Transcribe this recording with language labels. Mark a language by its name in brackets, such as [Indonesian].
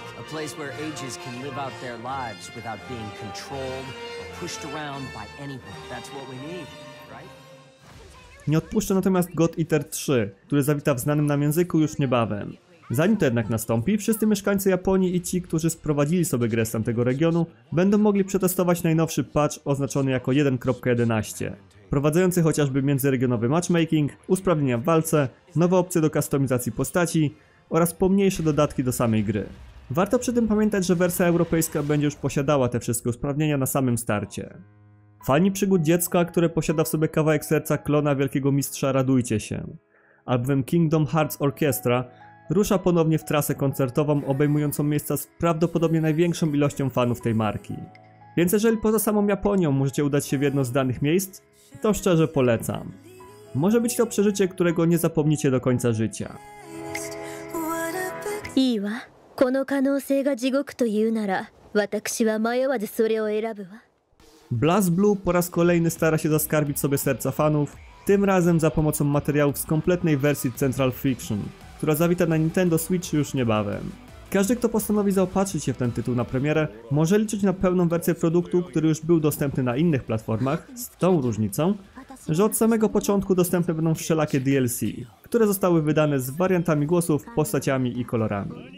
[English] Place where ages can live out their lives without being controlled or pushed around by anyone. That's what we need, right? [Polish] Nie odpuszczę natomiast God Eater 3, który zawita w znanym nam języku już niebawem. Zanim to jednak nastąpi, wszyscy mieszkańcy Japonii i ci, którzy sprowadzili sobie grę z tamtego regionu, będą mogli przetestować najnowszy patch oznaczony jako 1.11, prowadzący chociażby międzyregionowy matchmaking, usprawnienia w walce, nowe opcje do kustomizacji postaci oraz pomniejsze dodatki do samej gry. Warto przy tym pamiętać, że wersja europejska będzie już posiadała te wszystkie usprawnienia na samym starcie. Fani przygód dziecka, które posiada w sobie kawałek serca klona wielkiego mistrza, radujcie się. Albowiem Kingdom Hearts Orchestra rusza ponownie w trasę koncertową obejmującą miejsca z prawdopodobnie największą ilością fanów tej marki. Więc jeżeli poza samą Japonią możecie udać się w jedno z danych miejsc, to szczerze polecam. Może być to przeżycie, którego nie zapomnicie do końca życia. Iwa. [Japanese] この可能性が地獄というなら、私は迷わずそれを選ぶわ。 [Polish] BlazBlue po raz kolejny stara się zaskarbić sobie serca fanów, tym razem za pomocą materiałów z kompletnej wersji Central Fiction, która zawita na Nintendo Switch już niebawem. Każdy, kto postanowi zaopatrzyć się w ten tytuł na premierę, może liczyć na pełną wersję produktu, który już był dostępny na innych platformach, z tą różnicą, że od samego początku dostępne będą wszelakie DLC, które zostały wydane z wariantami głosów, postaciami i kolorami.